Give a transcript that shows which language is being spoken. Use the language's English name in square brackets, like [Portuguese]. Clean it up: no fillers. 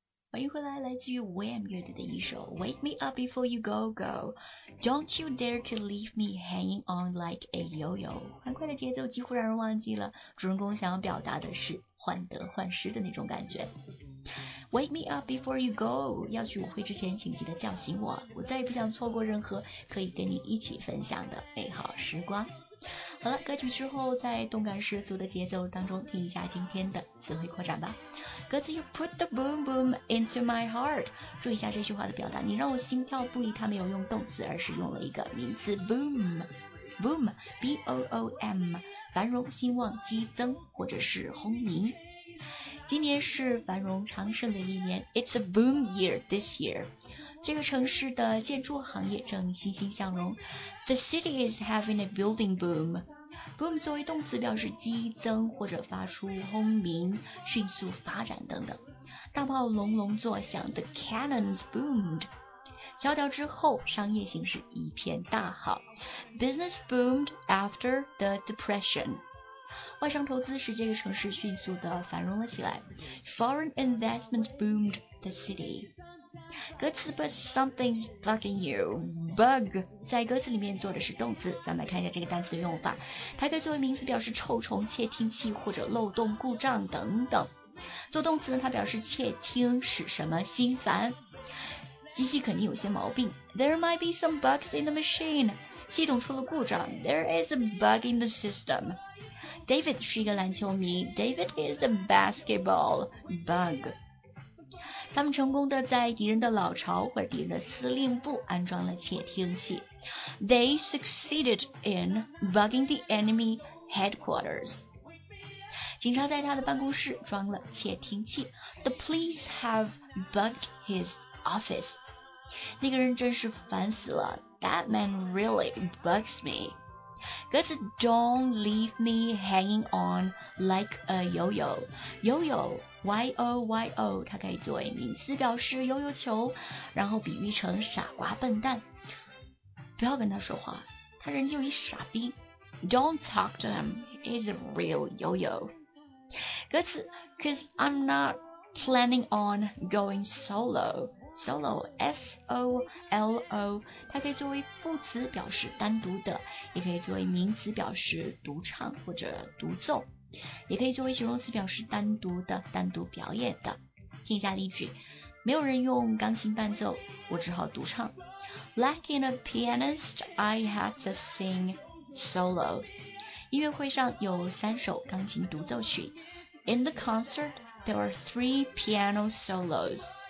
[Chinese] 欢迎回来，来自于 [English] Wham [Chinese] 乐队的一首 [English] Wake Me Up Before You Go Go， Don't You Dare To Leave Me Hanging On Like A Yo-Yo。 [Chinese] 欢快的节奏几乎让人忘记了主人公想要表达的是患得患失的那种感觉。 Wake Me Up Before You Go， 要去舞会之前请记得叫醒我，我再也不想错过任何可以跟你一起分享的美好时光。好了，歌曲之后在动感十足的节奏当中听一下今天的词汇扩展吧。歌词 [English] You put the boom boom into my heart， [Chinese] 注意一下这句话的表达，你让我心跳不已，它没有用动词，而是用了一个名词 boom boom B-O-O-M， 繁荣兴旺激增或者是轰鸣。今年是繁荣昌盛的一年， [English] It's a boom year this year， [Chinese] 这个城市的建筑行业正欣欣向荣。 [English] The city is having a building boom。 [Chinese] Boom 作为动词表示激增或者发出轰鸣，迅速发展等等。大炮隆隆作响， [English] The cannons boomed， [Chinese] 萧条之后商业形势一片大好。 [English] Business boomed after the depression， [Chinese] 外商投资使这个城市迅速地繁荣了起来。 [English] Foreign investment boomed the city。 [Chinese] 歌词 [English] But something's bugging you [Chinese] Bug 在歌词里面做的是动词，咱们来看一下这个单词的用法。它可以作为名词表示臭虫、窃听器或者漏洞、故障等等。做动词呢，它表示窃听使什么心烦，机器肯定有些毛病。 [English] There might be some bugs in the machine， [Chinese] 系统出了故障。 [English] There is a bug in the systemDavid [Chinese] 是一个篮球迷， [English] David is a basketball bug。 [Chinese] 他们成功的在敌人的老巢或者敌人的司令部安装了窃听器。 [English] They succeeded in bugging the enemy headquarters， [Chinese] 警察在他的办公室装了窃听器。 [English] The police have bugged his office， [Chinese] 那个人真是烦死了。 [English] That man really bugs me。 [Chinese] 歌词 [English] Don't leave me hanging on like a yo-yo， [Chinese] yo-yo Y-O-Y-O， 它可以作为名词表示悠悠球，然后比喻成傻瓜笨蛋。不要跟他说话，他人就一傻逼。 [English] Don't talk to him， he's a real yo-yo。 [Chinese] 歌词 [English] Cause I'm not planning on going soloSolo, [Chinese] S-O-L-O， 它可以作为副词表示单独的，也可以作为名词表示独唱或者独奏，也可以作为形容词表示单独的、单独表演的。听一下例句，没有人用钢琴伴奏，我只好独唱。 [English] Lacking a pianist, I had to sing solo。 [Chinese] 音乐会上有三首钢琴独奏曲。 [English] In the concert, there were three piano solos。